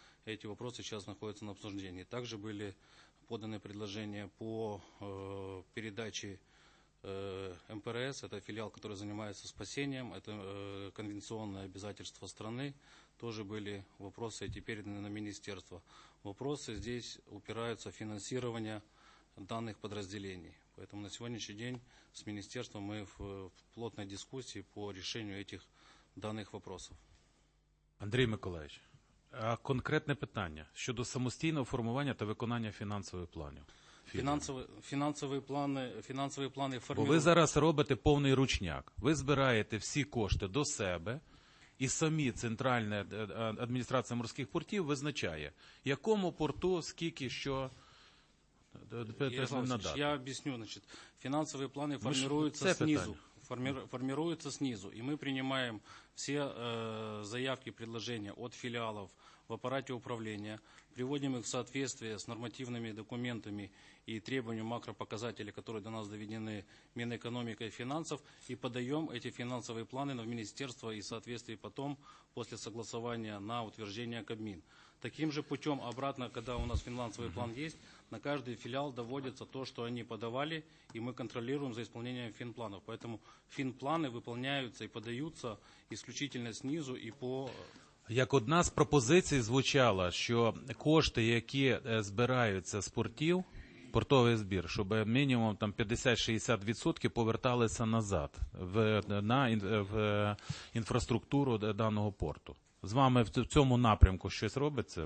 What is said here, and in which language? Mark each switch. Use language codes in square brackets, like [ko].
[ru] Эти вопросы сейчас находятся на обсуждении. Также были поданы предложения по передаче МПРС, это филиал, который занимается спасением, это конвенционное обязательство страны, тоже были вопросы эти переданы на министерство. Вопросы здесь упираются в финансирование данных подразделений, поэтому на сегодняшний день с министерством мы в плотной дискуссии по решению этих данных вопросов. Андрей Миколаевич. [uk] А конкретне питання щодо самостійного формування та виконання фінансових планів. Фінансові плани формують. Бо ви зараз робите повний ручняк. Ви збираєте всі кошти до себе, і самі центральна адміністрація морських портів визначає, якому порту скільки що надати. Я об'ясню, значить, фінансові плани формуються знизу. [ru] Формируются снизу, и мы принимаем все заявки, предложения от филиалов в аппарате управления, приводим их в соответствие с нормативными документами и требованиями макропоказателей, которые до нас доведены Минэкономикой и финансов, и подаем эти финансовые планы в министерство и в соответствии потом, после согласования, на утверждение Кабмин. Таким же путем обратно, когда у нас финансовый план есть, на каждый филиал доводится то, что они подавали, и мы контролируем за исполнением финпланов. Поэтому финпланы выполняются и подаются исключительно снизу и по... [uk] Як одна з пропозицій звучала, що кошти, які збираються з портів, портовий збір, щоб мінімум там 50-60% поверталися назад в інфраструктуру даного порту. З вами в цьому напрямку щось робиться?